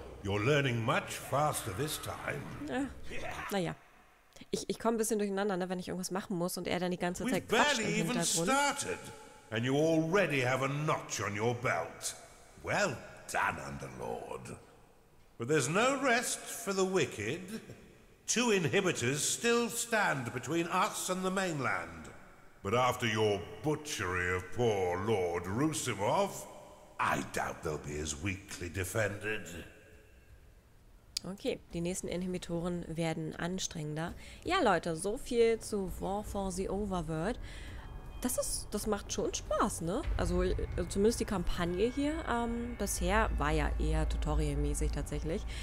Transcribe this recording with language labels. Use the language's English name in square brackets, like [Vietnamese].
[English] You're learning much faster this time. [German] Naja. Ich komme ein bisschen durcheinander, ne, wenn ich irgendwas machen muss und er dann die ganze Zeit quatscht im Hintergrund. [English] We've barely even started, and you already have a notch on your belt. Well done, Underlord. But there's no rest for the wicked. Two inhibitors still stand between us and the mainland. But after your butchery of poor Lord Rusimov, I doubt they'll be as weakly defended. [German] Okay, die nächsten Inhibitoren werden anstrengender. Ja, Leute, so viel zu War for the Overworld. Das macht schon Spaß, ne? Also zumindest die Kampagne hier bisher war ja eher Tutorial-mäßig tatsächlich.